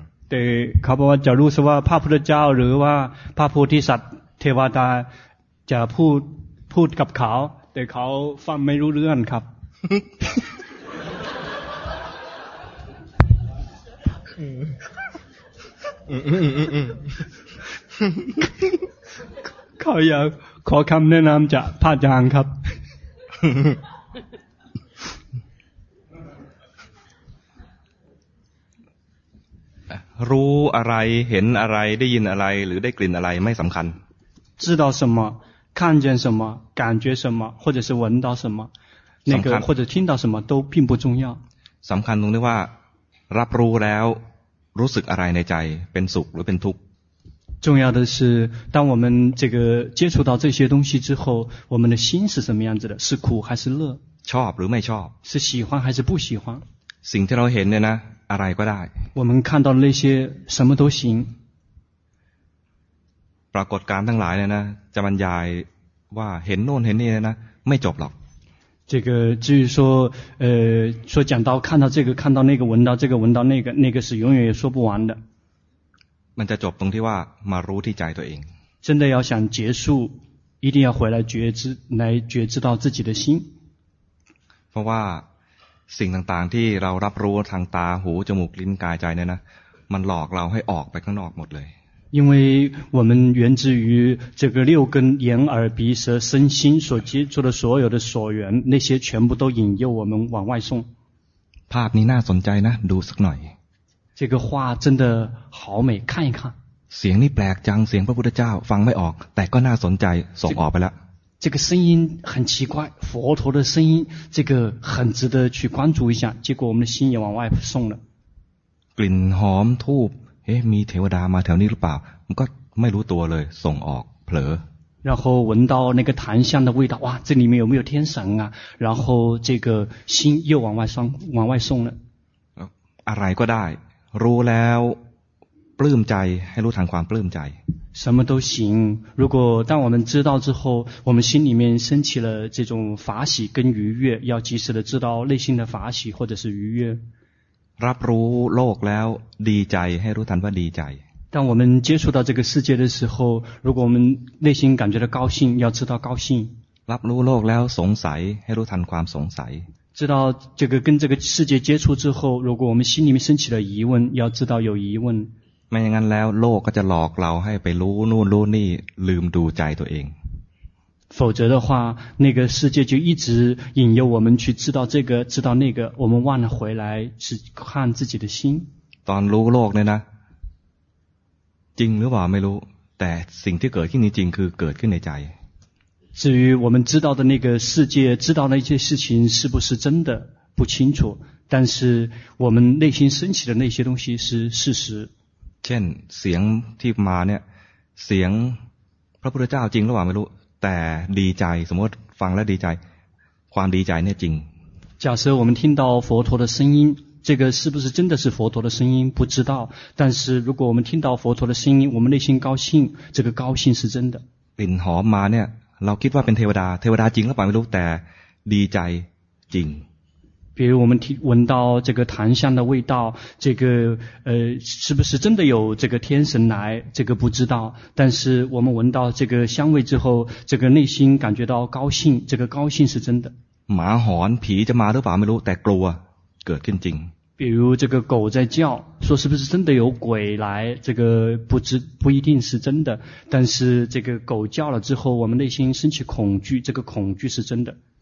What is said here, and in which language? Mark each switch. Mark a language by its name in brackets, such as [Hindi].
[Thai] แต่เขาบอกว่าจะรู้สึกว่าพระพุทธเจ้าหรือว่าพระโพธิสัตว์เทวดาจะพูดกับเขาแต่เขาฟังไม่รู้เรื่องครับเขาอยากขอคำแนะนำจากพระอาจารย์ครับ รู้อะไรเห็นอะไรได้ยินอะไรหรือได้กลิ่นอะไรไม่สำคัญ [Chinese] 知道什么看见什么感觉什么或者是闻到什么那个或者听到什么都并不重要 [Thai] สำคัญตรงที่ว่ารับรู้แล้วรู้สึกอะไรในใจเป็นสุขหรือเป็นทุกข์ [Chinese] 重要的是当我们这个接触到这些东西之后我们的心是什么样子的是苦还是乐 [Thai] ชอบหรือไม่ชอบ [Chinese] 是喜欢还是不喜欢 [Thai] สิ่งที่เราเห็นเนี่ยนะอะไรก็ได้ [Chinese] 我们看到那些什么都行 [Thai] ปรากฏการณ์ทั้งหลายเนี่ยนะจะบรรยายว่าเห็นโน่นเห็นนี่นะไม่จบหรอก [Chinese] 这个至于说说讲到看到这个看到那个闻到这个闻到那个那个是永远也说不完的 [Thai] มันจะจบตรงที่ว่ามารู้ที่ใจตัวเอง [Chinese] 真的要想结束一定要回来觉知来觉知到自己的心 [Thai] เพราะว่าสิ่งต่างๆที่เรารับรู้ทางตาหูจมูกลิ้นกายใจเนี่ยนะมันหลอกเราให้ออกไปข้างนอกหมดเลย [Chinese] 因为我们源自于这个六根眼耳鼻舌身心所接触的所有的所缘那些全部都引诱我们往外送 [Thai] ภาพนี้น่าสนใจนะดูสักหน่อย [Chinese] 这个画真的好美看一看 [Thai] เสียงนี่แปลกจังเสียงพระพุทธเจ้าฟังไม่ออกแต่ก็น่าสนใจส่งออกไปแล้ว [Chinese] 这个声音很奇怪佛陀的声音这个很值得去关注一下结果我们的心也往外送了 [Thai] กลิ่นหอมทูบมีเทวดามาแถวนี้หรือเปล่ามันก็ไม่รู้ตัวเลยส่งออกเผลอ [Chinese] 然后闻到那个檀香的味道哇这里面有没有天神啊然后这个心又往外送了 [Thai] อะไรก็ได้รู้แล้วปลื้มใจให้รู้ทันความปลื้มใจ [Chinese] 什么都行如果当我们知道之后我们心里面升起了这种法喜跟愉悦要及时的知道内心的法喜或者是愉悦 [Thai] รับรู้โลกแล้วดีใจให้รู้ทันว่าดีใจ [Chinese] 当我们接触到这个世界的时候，如果我们内心感觉到高兴，要知道高兴。 [Thai] รับรู้โลกแล้วสงสัยให้รู้ทันความสงสัย。 [Chinese] 知道这个跟这个世界接触之后，如果我们心里面升起了疑问，要知道有疑问。 [Thai] ไม่อย่างนั้นแล้วโลกก็จะหลอกเราให้ไปรู้นู่นรู้นี่ลืมดูใจตัวเอง。 [Chinese] 否则的话，那个世界就一直引诱我们去知道这个，知道那个，我们忘了回来只看自己的心。 [Thai] ตอนรู้โลกเนี่ยนะจริงหรือเปล่าไม่รู้แต่สิ่งที่เกิดขึ้นจริงคือเกิดขึ้นในใจ [Chinese] 至于我们知道的那个世界知道那些事情是不是真的不清楚但是我们内心升起的那些东西是事实 [Thai] เช่นเสียงที่มาเนี่ยเสียงพระพุทธเจ้าจริงหรือเปล่าไม่รู้แต่ดีใจสมมติฟังแล้วดีใจความดีใจเนี่ยจริง [Chinese] 假设我们听到佛陀的声音这个是不是真的是佛陀的声音不知道但是如果我们听到佛陀的声音我们内心高兴这个高兴是真的 [Thai] เป็นหอมมาเนี่ยเราคิดว่าเป็นเทวดาเทวดาจริงหรือเปล่าไม่รู้แต่ดีใจจริง [Chinese] 比如我们听闻到这个檀香的味道这个是不是真的有这个天神来这个不知道但是我们闻到这个香味之后这个内心感觉到高兴这个高兴是真的 [Thai] หมาหอนผีจะมาหรือเปล่าไม่รู้แต่กลัวเกิดขึ้นจริง [Chinese] 比如这个狗在叫说是不是真的有鬼来这个不一定是真的但是这个狗叫了之后我们内心升起恐惧这个恐惧是真的